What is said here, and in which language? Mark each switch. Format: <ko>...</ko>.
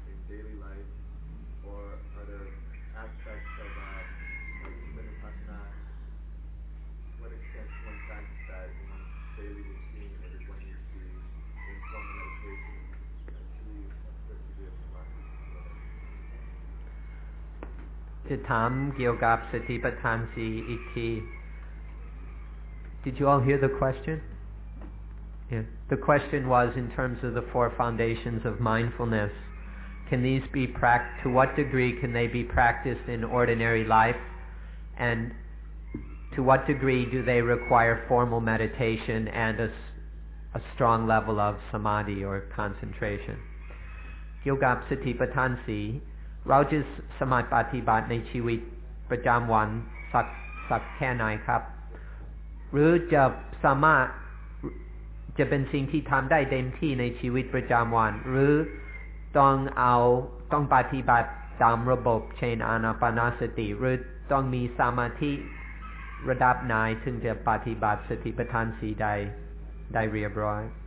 <en>daily life, or are there aspects of vipassana? What extent can one practice that in daily routine, or is one used to inform the meditation and truly assert the idea of samadhi?</en> <th>จะถามเกี่ยวกับสติปัฏฐานสี่อีกที</th> <en>Did you all hear the question? Yeah. The question was in terms of the four foundations of mindfulness. Can these be to what degree can they be practiced in ordinary life? And to what degree do they require formal meditation and a strong level of samadhi or concentration?</en> <th>เกี่ยวกับสติปัฏฐานสี่เราจะสมาปฏิบัติในชีวิตประจำวันสักแค่ไหนครับหรือจะสามารถจะเป็นสิ่งที่ทำได้เต็มที่ในชีวิตประจำวันหรือต้องปฏิบัติตามระบบเช่นอานาปานสติหรือต้องมีสมาธิระดับไหนถึงจะปฏิบัติสติปัฏฐานสี่ได้เรียบร้อย</th>